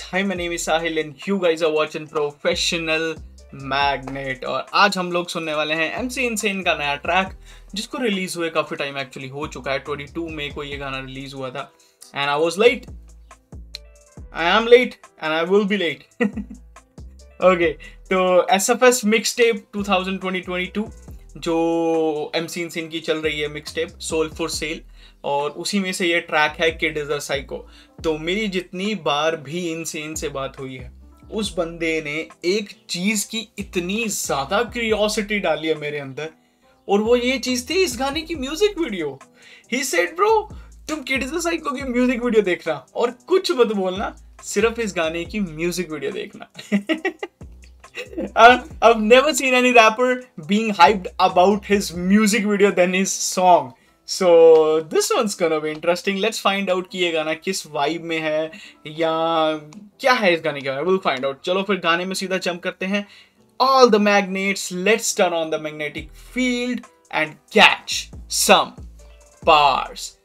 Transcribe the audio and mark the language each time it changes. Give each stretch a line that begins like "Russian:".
English: Hi, my name is Sahil and you guys are watching Professional Magnet.
Hindi: और आज हम लोग सुनने वाले हैं MC Insane का नया ट्रैक जिसको रिलीज हुए काफी टाइम एक्चुअली हो चुका है. 22 मई को ये गाना रिलीज हुआ था
English: And I was late. I am late and I will be late.
Hindi: Okay, तो SFS मिक्स टेप 2022 जो MC Insane की चल रही है mix tape soul for sale, और उसी में से ये ट्रैक है किड इज अ साइको. तो मेरी जितनी बार भी Insane से बात हुई है उस बंदे ने एक चीज की इतनी ज्यादा क्यूरियोसिटी डाली है मेरे अंदर, और वो ये चीज थी इस गाने की music video.
English: he said
Hindi: bro तुम किड इज अ साइको की म्यूजिक वीडियो देखना और कुछ मत बोलना, सिर्फ इस गाने की म्यूजिक वीडियो देखना.
English: I've never seen any rapper being hyped about his music video than his song. So this one's gonna be interesting. Let's find out
Hindi: ki ye gana kis vibe mein hai ya kya hai is gaane ka vibe.
English: We'll find out.
Hindi: Chalo fir gaane mein seedha jump karte hain.
English: All the magnets, let's turn on the magnetic field and catch some bars.